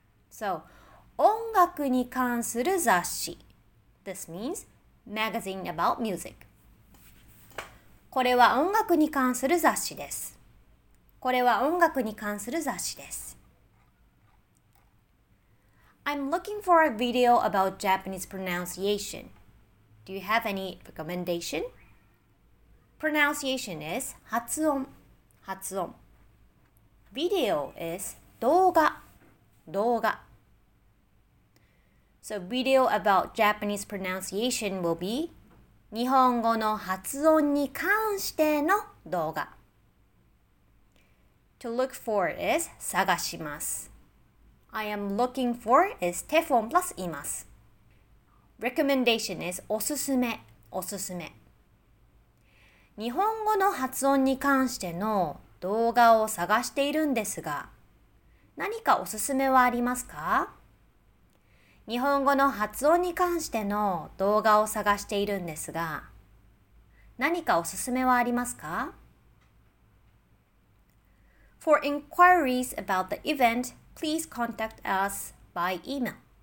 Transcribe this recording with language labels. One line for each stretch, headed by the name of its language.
Japanese: So, 音楽に関する雑誌。
English: This means magazine about music.
Japanese: これは音楽に関する雑誌です。これは音楽に関する雑誌です。
English: I'm looking for a video about Japanese pronunciation. Do you have any recommendation? Pronunciation is 発音. Video is 動画. So video about Japanese pronunciation will be
Japanese: 日本語の発音に関しての動画。
English: To look for is 探します。I am looking for is テフォン plus います。 Recommendation is おすすめ。
Japanese: 日本語の発音に関しての動画を探しているんですが、何かおすすめはありますか？日本語の発音に関しての動画を探しているんですが、何かおすすめはありますか？
English: For inquiries about the event, please contact us by email.